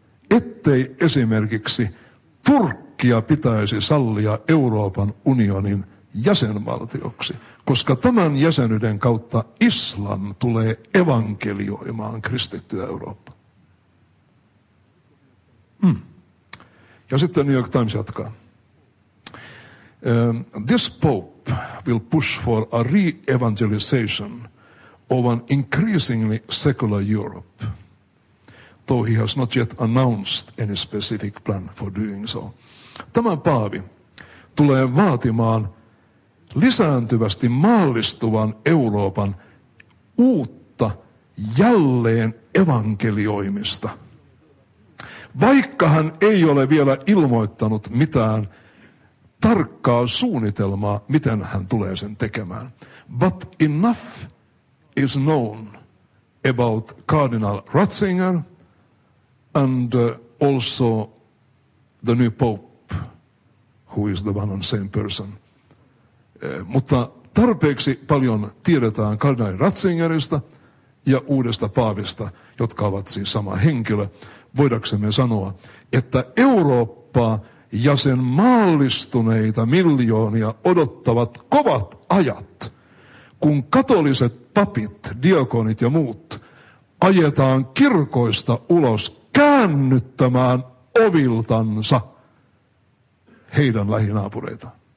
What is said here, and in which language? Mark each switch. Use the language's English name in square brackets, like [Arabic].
[Finnish] ettei esimerkiksi Turkkia pitäisi sallia Euroopan unionin jäsenvaltioksi, koska tämän jäsenyyden kautta islam tulee evankelioimaan kristittyä Eurooppaa. Ja sitten New York Times jatkaa. [English] This pope will push for a re-evangelization of an increasingly secular Europe, though he has not yet announced any specific plan for doing so. [Finnish] Tämä paavi tulee vaatimaan lisääntyvästi maallistuvan Euroopan uutta jälleen evankelioimista, vaikka hän ei ole vielä ilmoittanut mitään tarkkaa suunnitelmaa, miten hän tulee sen tekemään. [English] But enough is known about Cardinal Ratzinger and also the new pope, who is the one and same person. [Finnish] Mutta tarpeeksi paljon tiedetään kardinaali Ratzingerista ja uudesta paavista, jotka ovat siis sama henkilö, voidaksemme sanoa, että Eurooppaa ja sen maallistuneita miljoonia odottavat kovat ajat, kun katoliset papit, diakonit ja muut ajetaan kirkoista ulos käännyttämään oviltansa heidän lähinaapureitaan.